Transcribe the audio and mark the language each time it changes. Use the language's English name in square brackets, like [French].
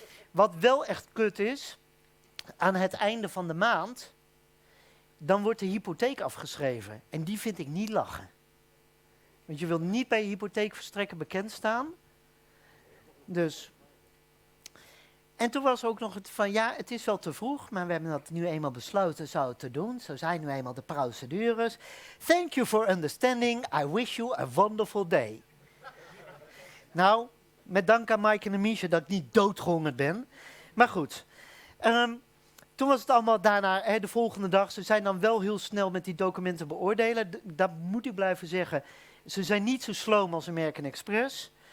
[Dutch] Wat wel echt kut is, aan het einde van de maand, dan wordt de hypotheek afgeschreven. En die vind ik niet lachen. Want je wilt niet bij je hypotheekverstrekker bekend staan. Dus. En toen was er ook nog het van, ja, het is wel te vroeg, maar we hebben dat nu eenmaal besloten zo te doen. Zo zijn nu eenmaal de procedures. [English] Thank you for understanding. I wish you a wonderful day. [Dutch] Nou, met dank aan Mike en Misha dat ik niet doodgehongerd ben. Maar goed. Toen was het allemaal daarna, de volgende dag. Ze zijn dan wel heel snel met die documenten beoordelen. Dat moet ik blijven zeggen. Ze zijn niet zo sloom als American Express.